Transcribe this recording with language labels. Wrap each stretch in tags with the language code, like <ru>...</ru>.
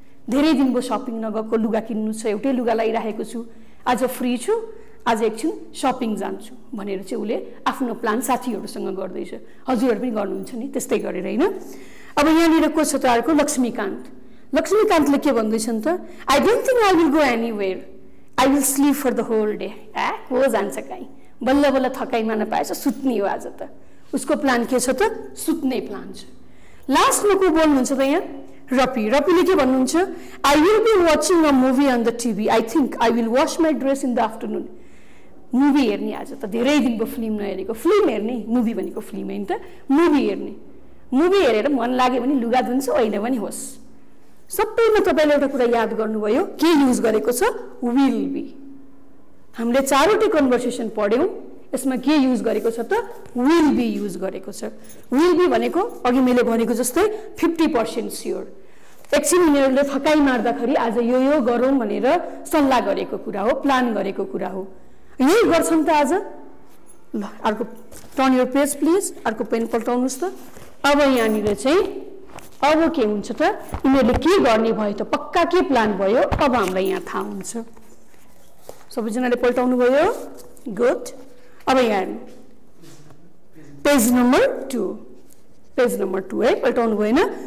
<ne>धेरै दिनको सपिङ नगएको लुगा किन्नु छ, एउटै लुगा लगाइराखेको छु, आज फ्री छु, आज एकछिन सपिङ जान्छु भनेर चाहिँ उसले आफ्नो प्लान साथीहरूसँग गर्दैछ. हजुरहरू पनि गर्नुहुन्छ नि त्यस्तै गरेर होइन. अब यहाँनिर को छ त अर्को, लक्ष्मीकान्त. लक्ष्मीकान्तले के भन्दैछन् त,</ne> <en>I don't think I will go anywhere, I will sleep for the whole day.</en> <ne>ए को जान्छ कहीँ, बल्ल बल्ल थकाइ मान पाएछ, सुत्ने हो आज त. उसको प्लान के छ त, सुत्ने प्लान छ. लास्टमा को बोल्नुहुन्छ त यहाँ, रपी. रपीले के भन्नुहुन्छ,</ne> <en>I will be watching a movie on the TV, I think I will wash my dress in the afternoon.</en> <ne>Movie हेर्ने आज त, धेरै दिनको फिल्म नहेरेको, फिल्म हेर्ने, मुभी भनेको फिल्म होइन त, मुभी हेर्ने. मुभी हेरेर मन लाग्यो भने लुगा धुन्छ, होइन भने होस्. सबैमा तपाईँले एउटा कुरा याद गर्नुभयो, के युज गरेको छ, विल बी. हामीले चारवटै कन्भर्सेसन पढ्यौँ, यसमा के युज गरेको छ त, विल बी युज गरेको छ. विल बी भनेको अघि मैले भनेको जस्तै 50% स्योर. एकछिन उनीहरूले थकाइ मार्दाखेरि आज यो यो गरौँ भनेर सल्लाह गरेको कुरा हो, प्लान गरेको कुरा हो, यही गर्छन् त आज. ल, अर्को</ne> <en>turn your page please,</en> <ne>अर्को पेन पल्टाउनुहोस् त. अब यहाँनिर चाहिँ अब के हुन्छ त, उनीहरूले के गर्ने भयो त, पक्का के प्लान भयो, अब हामीलाई यहाँ थाहा हुन्छ. सबैजनाले पल्टाउनु भयो, गुड. अब यहाँ पेज नम्बर टू है, पल्टाउनु भएन.</ne>